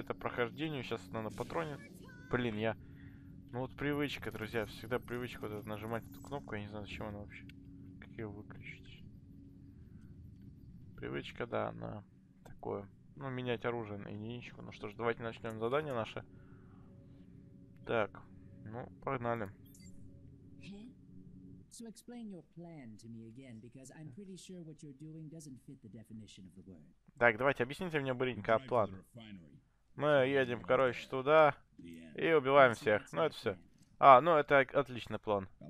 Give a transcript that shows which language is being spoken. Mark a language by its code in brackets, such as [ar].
[ru] Это прохождение. Сейчас надо патроны. Блин, я... Ну вот привычка, друзья. Всегда привычка вот это, нажимать эту кнопку. Я не знаю, зачем она вообще. Как ее выключить? Привычка, да, на такое. Ну, менять оружие на единичку. Ну что ж, давайте начнем задание наше. Так, ну, погнали. [en] So explain your plan to me again, because I'm pretty sure what you're doing doesn't fit the definition of the word. [ru] Так, давайте, объясните мне, Буренька, план. Мы едем, короче, туда и убиваем всех. Ну, это все. А, ну, это отличный план.